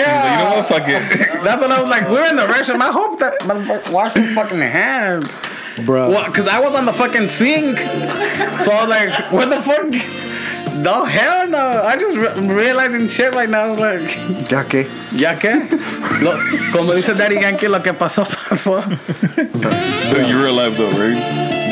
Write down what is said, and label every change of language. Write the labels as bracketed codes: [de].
[en] Yeah. Like, you know what? Fuck it. That's what I was like. We're in the restroom. I hope that motherfucker washed his fucking hands. Bro. What? Because I was on the fucking sink. So I was like, what the fuck? No, hell no. I just realizing shit right now. I was like, [es] ya que? Ya que? Como dice Daddy Yankee, lo que pasó, pasó. [en] No, you're alive though, right?